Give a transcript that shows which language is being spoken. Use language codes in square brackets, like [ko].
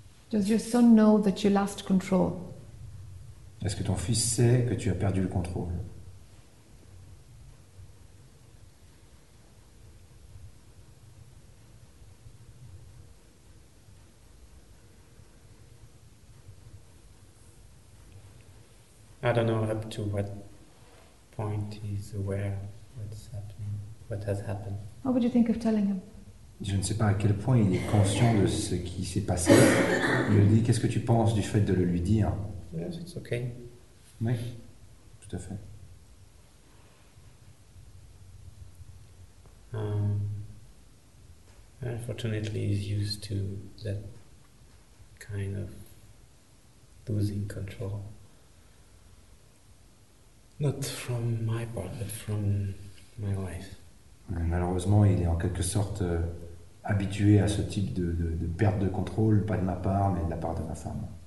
[en] Does your son know that you lost control? [fr] Est-ce que ton fils sait que tu as perdu le contrôle? [en] I don't know up to what point he's aware what's happening, what has happened. What would you think of telling him? [fr] Je ne sais pas à quel point il est conscient de ce qui s'est passé. Je lui dis, qu'est-ce que tu penses du fait de le lui dire? [en] Yes, it's okay. [fr] Oui, tout à fait. [en] Unfortunately, he's used to that kind of losing control. Not from my part, but from my wife. [fr] Malheureusement, il est en quelque sorte habitué à ce type de perte de contrôle, pas de ma part, mais de la part de ma femme.